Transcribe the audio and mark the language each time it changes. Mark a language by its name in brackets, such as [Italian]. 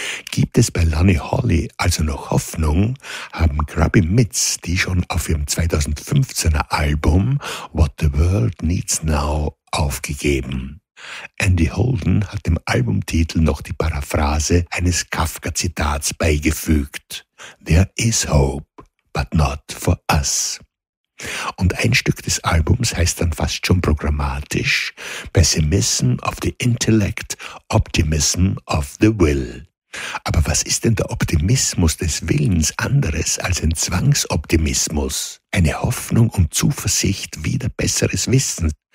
[German] Gibt es bei Lonnie Holly also noch Hoffnung, haben Grubby Mitts, die schon auf ihrem 2015er Album What the World Needs Now aufgegeben. Andy Holden hat dem Albumtitel noch die Paraphrase eines Kafka-Zitats beigefügt. [English] There is hope, but not for us. [German] Und ein Stück des Albums heißt dann fast schon programmatisch Pessimism of the Intellect, Optimism of the Will. Aber was ist denn der Optimismus des Willens anderes als ein Zwangsoptimismus? Eine Hoffnung und Zuversicht wider besseres Wissen?